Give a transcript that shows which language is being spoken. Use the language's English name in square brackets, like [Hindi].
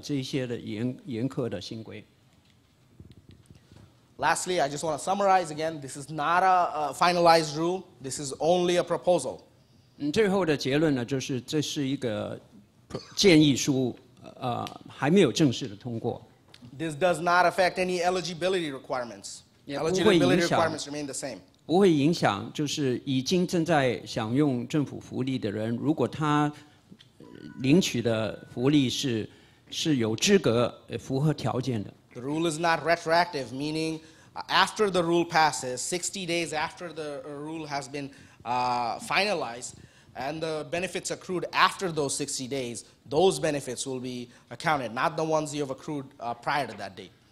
[Chinese] 所以纽约市政府呢，一直是对这个新规呢有一种的抗衡，希望能够抵挡、抵住了这些的严苛的新规。 [English] Lastly, I just want to summarize again: this is not a finalized rule. This is only a proposal. [Chinese] 最后的结论呢，就是这是一个建议书，还没有正式的通过。 [English] This does not affect any eligibility requirements. Eligibility requirements remain the same. [Chinese] 不会影响，就是已经正在享用政府福利的人，如果他领取的福利是有资格、符合条件的。 [English] The rule is not retroactive, meaning after the rule passes, 60 days after the rule has been finalized, and the benefits accrued after those 60 days, those benefits will be accounted, not the ones you have accrued prior to that date.